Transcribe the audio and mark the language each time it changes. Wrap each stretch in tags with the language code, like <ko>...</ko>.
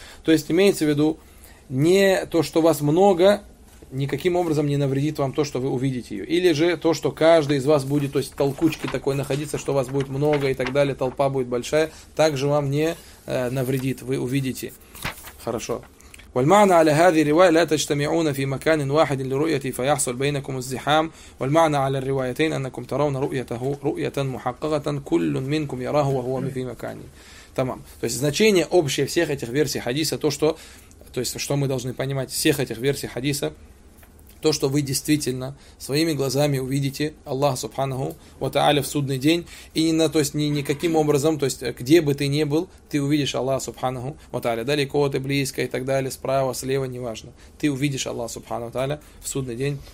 <ru>То есть имеется в виду, не то, что вас много, никаким образом не навредит вам то, что вы увидите ее. Или же то, что каждый из вас будет, то есть толкучки такой находиться, что вас будет много и так далее, толпа будет большая, также вам не навредит, вы увидите. Хорошо.</ru> <ar>والمعنى على هذه الرواية لا تجتمعون في مكان واحد لرؤيتي فيحصل بينكم الزحام والمعنى على الروايتين أنكم ترون رؤيته رؤية محققة كل منكم يراه وهو في مكانه.</ar> <ru>Тамам. То есть значение общее всех этих версий хадиса, то, что мы должны понимать всех этих версий хадиса, то, что вы действительно своими глазами увидите Аллаха Субханаху ва Тааля в судный день, и никаким образом, то есть где бы ты ни был, ты увидишь Аллаха Субханаху ва Тааля, далеко ты, близко и так далее, справа, слева, неважно, ты увидишь Аллаха Субханаху ва Тааля в судный день.</ru>